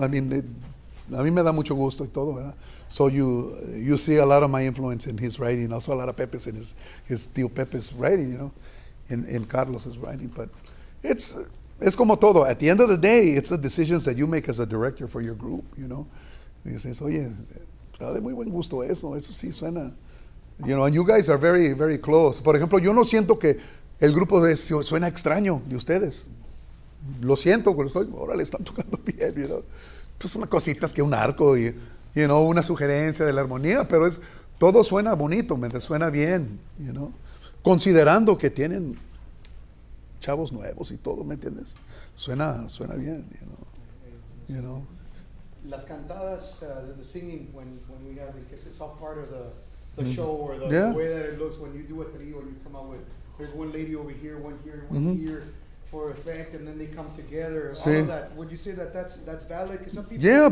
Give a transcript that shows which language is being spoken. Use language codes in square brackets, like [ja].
[en] I mean, [es] a mí me da mucho gusto y todo, ¿verdad? [en] So you see a lot of my influence in his writing, also a lot of Pepe's in his tío Pepe's writing, you know, in Carlos's writing. But it's [es] como todo. [en] At the end of the day, it's the decisions that you make as a director for your group, you know. And you say, [es] oye, está de muy buen gusto eso. Eso sí suena. [en] You know, and you guys are very, very close. [es] Por ejemplo, yo no siento que el grupo suena extraño de ustedes. Lo siento, pero soy, órale, están tocando bien, [en] you know. [es] Pues una cosita es que un arco y, you know, una sugerencia de la armonía, pero es, todo suena bonito, mientras suena bien, you know. Considerando que tienen chavos nuevos y todo, ¿me entiendes? Suena bien, [en] you know. You know. [es] Las cantadas, [en] the singing, when we have, because it's all part of the show, or the way that it looks when you do a trio, you come out with, there's one lady over here, one here, one here. For effect, and then they come together. All of that. Would you say that's valid? Cause some people